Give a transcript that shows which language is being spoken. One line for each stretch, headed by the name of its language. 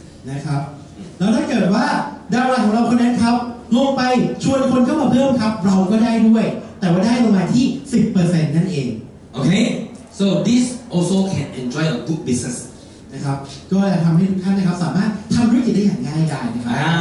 Thai: นะครับแล้วถ้าเกิดว่าดาวไลน์ของเราคนนั้นครับลงไปชวนคนเข้ามาเพิ่มครับเราก็ได้ด้วยแต่ว่าได้ลงมาที่ 10% นั่นเอง
English: Okay so this also can enjoy a good business
Thai: นะครับก็จะทำให้ทุกท่านนะครับสามารถทำธุรกิจได้อย่างง่ายดายนะครับ